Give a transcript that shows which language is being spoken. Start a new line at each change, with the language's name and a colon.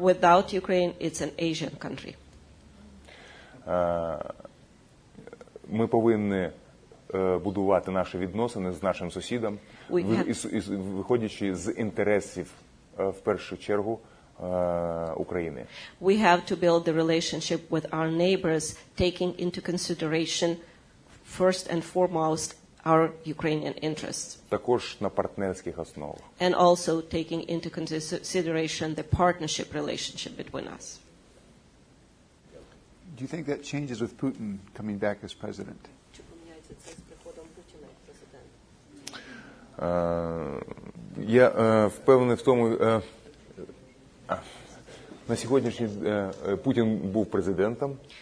English: Without Ukraine it's an Asian country.
Ukrainian: Ми повинні будувати наші відносини з нашим сусідом, виходячи з інтересів в першу чергу. України.
English: We have to build the relationship with our neighbors, taking into consideration first and foremost our Ukrainian interests.
Ukrainian: Також на партнерських основах.
English: And also taking into consideration the partnership relationship between us. Do you think that changes with Putin coming back as president?
Ukrainian: Я впевнений в тому, на сьогоднішній Путін був президентом.